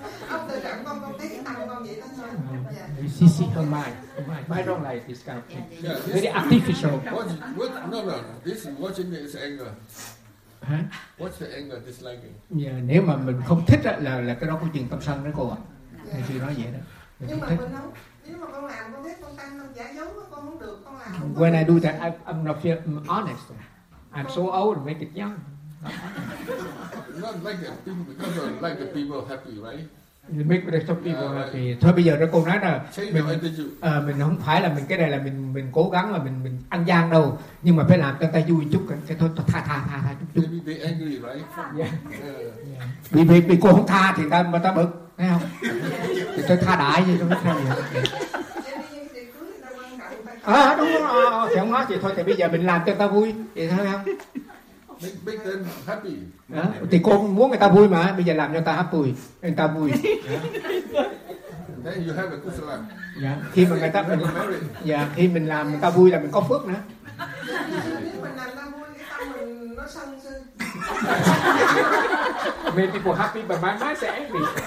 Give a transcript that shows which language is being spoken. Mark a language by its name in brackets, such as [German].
[Vietnamese] Ông tự trạng con thấy cái tăng con vậy đó thôi. [English] You see, see her mind. Why don't like this kind of thing? Yeah, very artificial. No, this is watching me is anger. Huh? What's the anger, disliking? [Vietnamese] Yeah, nếu mà mình không thích đó, là cái đó có chuyện tâm sân đó cô ạ. À. Yeah. Thầy sư nói vậy đó. Nhưng mà mình không, nếu mà con làm con thấy con tăng giả dấu con không được, con làm. Con [English] when [Vietnamese] con [English] I do that, I'm not feel I'm honest. I'm so old, make it young. Not like the people, because you like the people happy, right? Make the people happy. [Vietnamese] Thôi bây giờ đó cô nói là mình không phải là mình cái này là mình cố gắng là mình ăn gian đâu, nhưng mà phải làm cho người ta vui chút, cái thôi tha chút. [English] Maybe they angry, right? Yeah. Yeah. [Vietnamese] Vì cô không tha thì ta bực, thấy không? Thì tôi tha đại vậy tôi mới tha vậy. À đúng rồi, thì không nói thì thôi, thì bây giờ mình làm cho người ta vui vậy thôi không? [English] Make them happy. Yeah. [Vietnamese] Thì cô muốn người ta vui mà, bây giờ làm cho người ta vui. [English] Then you have a good life. Yeah. [Vietnamese] Khi mà người ta mình, yeah, khi mình làm người ta vui là mình có phước nữa. Mình làm người ta vui, cái tâm mình nó sân sư. [English] Make people happy, but my mind is angry.